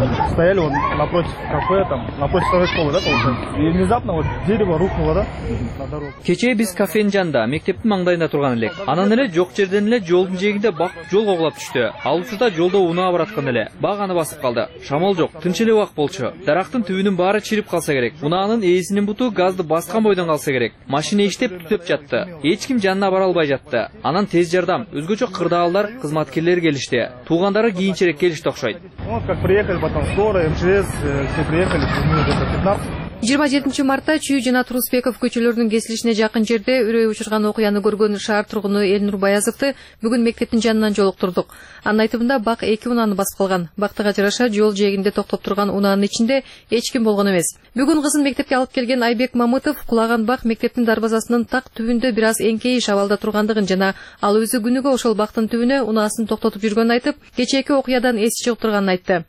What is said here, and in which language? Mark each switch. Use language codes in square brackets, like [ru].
[ru] Стояли вот напротив кафе, там, напротив второй школы, да, получается? И внезапно вот дерево рухнуло, да, на дорогу. [ky] Кечээ биз кафенин жанында, мектептин маңдайында турган элек. Анан эле жок жерден эле жолдун жээгинде бак жол коголап түштү. Ал учурда жолдо унаа бараткан эле. Бак аны басып калды. Шамал жок, тынч эле убак болчу. Дарактын түбүнүн баары чирип калса керек. Унаанын ээсинин буту газды баскан бойдон калса керек. Машина иштеп түтөп жатты. Эч ким жанына бара албай жатты. Анан тез жардам, өзгөчө кырдаалдар, кызматкерлер келишти. Туугандары кийинчерээк келишти окшойт. [ru] Приехали потом скорая, МЧС, все приехали, мы где-то 15. [ky] 27 мартта Чүй жана Турусбеков көчөлөрүнүн кесилишине жакын жерде үрөй учурган окуяны көргөн шаар тургуну Элнур Баязовду бүгүн мектептин жанынан жолуктурдук. Анын айтымында бак эки унааны басып калган. Бактыга жараша жол жээгинде токтоп турган унаанын ичинде эч ким болгон эмес. Бүгүн кызын мектепке алып келген Айбек Мамытов кулаган бак мектептин дарбазасынын так түбүндө бир аз эңкейиш абалда тургандыгын жана ал өзү күнүгө ошол бактын түбүнө унаасын токтотуп жүргөнүн айтып, кечээки окуядан эси жок турганын айтты.